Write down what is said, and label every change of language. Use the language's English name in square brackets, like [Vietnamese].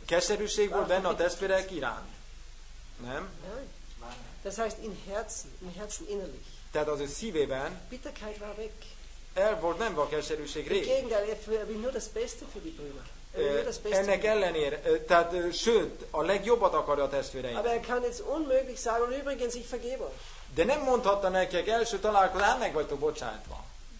[Hungarian] Keserűség volt benne a testvérek iránt. Nem? [German] Nein. Das heißt, im Herzen innerlich. [Hungarian] Tehát az ő szívében. [German] Bitterkeit war weg. [Hungarian] El volt, nem volt keserűség rég. [German] Im Gegenteil, er will nur das Beste für die Brüder. [Hungarian] Ennek ellenére, tehát sőt, a legjobbat akarja a testvéreim. De nem mondhatta nekik első találkozásra, meg vagytok bocsátva.